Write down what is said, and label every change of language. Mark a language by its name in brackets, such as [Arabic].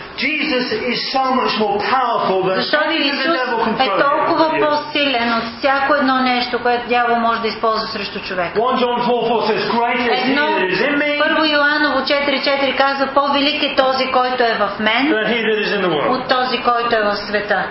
[English] Jesus is so much more powerful than anything the devil can throw at you. [Bulgarian] Е толкова по-силен от всяко едно нещо, което дявол може да използва срещу човек. [English] 1 John 4:4 says, "Greater is He that is in me." [Bulgarian] 1 Йоанново 4:4 казва, по-велик е този, който е в мен, от този, който е в света.